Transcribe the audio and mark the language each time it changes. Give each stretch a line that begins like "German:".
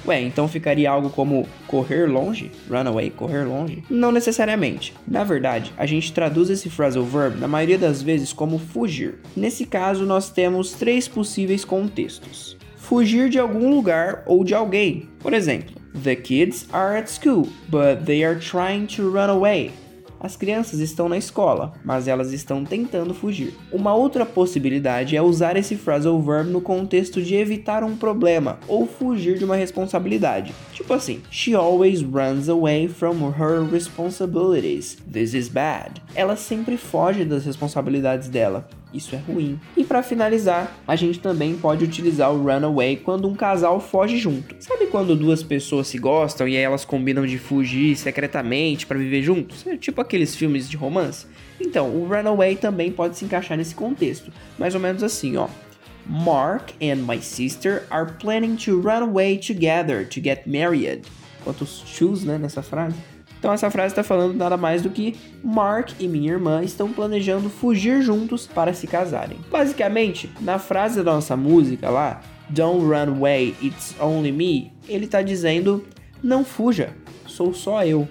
Portuguese: Ué, então ficaria algo como correr longe?
English: Run away,
Portuguese: correr longe? Não necessariamente. Na verdade, a gente traduz esse phrasal verb na maioria das vezes como fugir. Nesse caso, nós temos três possíveis contextos. Fugir de algum lugar ou de alguém. Por exemplo,
English: the kids are at school, but they are trying to run away.
Portuguese: As crianças estão na escola, mas elas estão tentando fugir. Uma outra possibilidade é usar esse phrasal verb no contexto de evitar um problema ou fugir de uma responsabilidade. Tipo assim,
English: she always runs away from her responsibilities. This is bad.
Portuguese: Ela sempre foge das responsabilidades dela. Isso é ruim. E pra finalizar, a gente também pode utilizar o runaway quando um casal foge junto. Sabe quando duas pessoas se gostam e aí elas combinam de fugir secretamente pra viver juntos? É tipo aqueles filmes de romance? Então, o runaway também pode se encaixar nesse contexto. Mais ou menos assim, ó.
English: Mark and my sister are planning to run away together to get married.
Portuguese: Quantos chus, né, nessa frase? Então essa frase está falando nada mais do que Mark e minha irmã estão planejando fugir juntos para se casarem. Basicamente, na frase da nossa música lá,
English: "Don't run away, it's only me",
Portuguese: ele está dizendo, não fuja, sou só eu.